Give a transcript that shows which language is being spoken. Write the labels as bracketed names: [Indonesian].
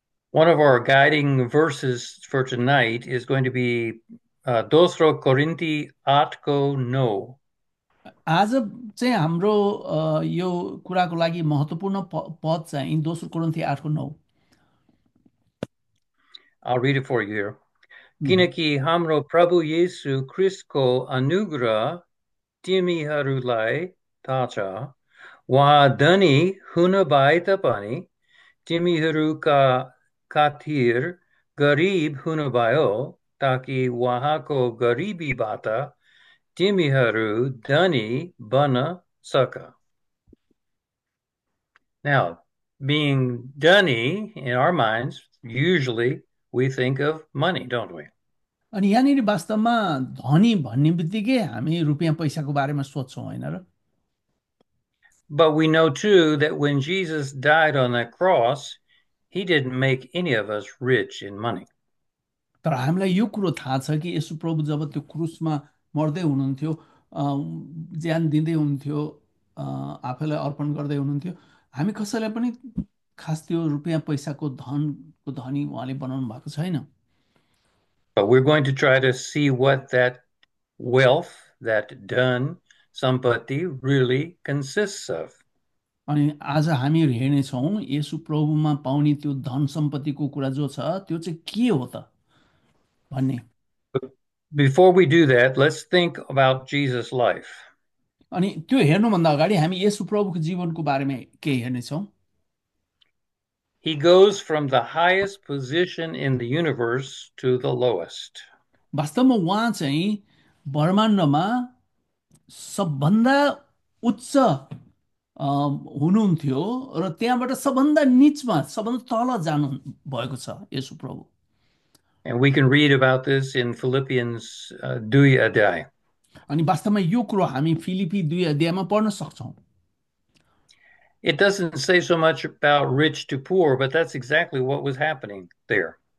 [English] One of our guiding verses for tonight is going to be Dosro Korinti 8:9. [Nepali] आज चाहिँ हाम्रो यो कुराको लागि महत्त्वपूर्ण पद चाहिँ दोस्रो कोरिन्थी 8:9। [English] I'll read it for you here. [Nepali] किनकि हाम्रो प्रभु येशु ख्रिस्टको अनुग्रह तिमीहरूलाई थाहा छ, वहाँ धनी हुन भए तापनि तिमीहरूका खातिर गरिब हुनुभयो, ताकि उहाँको गरिबीबाट तिमीहरू धनी बन सक। [English] Now, being धनी in our minds, usually we think of money, don't we? [Nepali] अनि यहाँनिर वास्तवमा धनी भन्ने बित्तिकै हामी रुपियाँ पैसाको बारेमा सोच्छौँ होइन र [English] But we know too that when Jesus died on the cross, He didn't make any of us rich in money. [Nepali] तर हामीलाई यो कुरो थाहा छ कि येशू प्रभु जब त्यो क्रुसमा मर्दै हुनुहुन्थ्यो ज्यान दिँदै हुनुहुन्थ्यो आफैलाई अर्पण गर्दै हुनुहुन्थ्यो हामी कसैलाई पनि खास त्यो रुपियाँ पैसाको धनको धनी उहाँले बनाउनु भएको छैन। [English] But we're going to try to see what that wealth, that [Nepali] dhan, sampatti [English] really consists of. [Nepali] अनि आज हामी हेर्नेछौँ येशु प्रभुमा पाउने त्यो धन सम्पत्तिको कुरा जो छ त्यो चाहिँ के हो त भन्ने। [English] Before we do that, let's think about Jesus' life. [Nepali] अनि त्यो हेर्नुभन्दा अगाडि हामी येशु प्रभुको जीवनको बारेमा केही हेर्नेछौँ। [English] He goes from the highest position in the universe to the lowest. [Nepali] वास्तवमा उहाँ चाहिँ ब्रह्माण्डमा सबभन्दा उच्च हुनुहुन्थ्यो र त्यहाँबाट सबभन्दा निचमा सबभन्दा तल जानु भएको छ येशू प्रभु। [English] And we can read about this in Philippians 2:10. [Nepali] अनि वास्तवमा यो कुरो हामी फिलिपी 2 अध्यायमा पढ्न सक्छौँ। [English] It doesn't say so much about rich to poor, but that's exactly what was happening there.